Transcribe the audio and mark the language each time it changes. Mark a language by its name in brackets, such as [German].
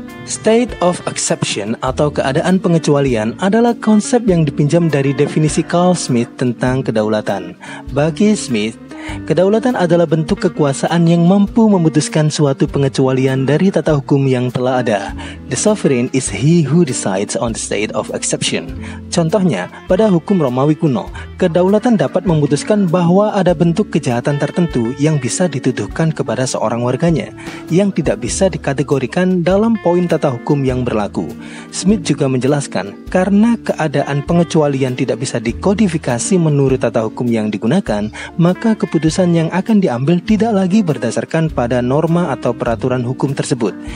[Indonesian] State of exception atau keadaan pengecualian adalah konsep yang dipinjam dari definisi Carl Smith tentang kedaulatan. Bagi Smith, kedaulatan adalah bentuk kekuasaan yang mampu memutuskan suatu pengecualian dari tata hukum yang telah ada. [English] The sovereign is he who decides on the state of exception. [Indonesian] Contohnya, pada hukum Romawi kuno, kedaulatan dapat memutuskan bahwa ada bentuk kejahatan tertentu yang bisa dituduhkan kepada seorang warganya, yang tidak bisa dikategorikan dalam poin tata hukum yang berlaku. Smith juga menjelaskan, karena keadaan pengecualian tidak bisa dikodifikasi menurut tata hukum yang digunakan, maka keputusan yang akan diambil tidak lagi berdasarkan pada norma atau peraturan hukum tersebut.